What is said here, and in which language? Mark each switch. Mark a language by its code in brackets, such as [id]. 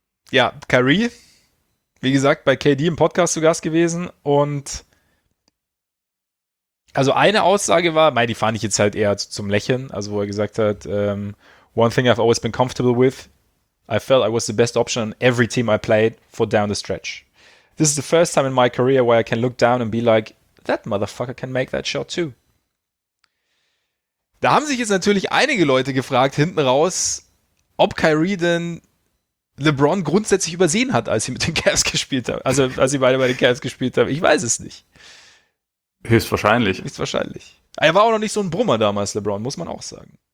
[de] Ja, Kyrie, wie gesagt, bei KD im Podcast zu Gast gewesen und also eine Aussage war, die fand ich jetzt halt eher zum Lächeln, also wo er gesagt hat, [en] one thing I've always been comfortable with, I felt I was the best option on every team I played for down the stretch. This is the first time in my career where I can look down and be like, that motherfucker can make that shot too. [de] Da haben sich jetzt natürlich einige Leute gefragt, hinten raus, ob Kyrie denn LeBron grundsätzlich übersehen hat, als sie mit den Cavs gespielt haben. Also als sie beide bei den Cavs gespielt haben. Ich weiß es nicht. Höchstwahrscheinlich. Er war auch noch nicht so ein Brummer damals, LeBron, muss man auch sagen.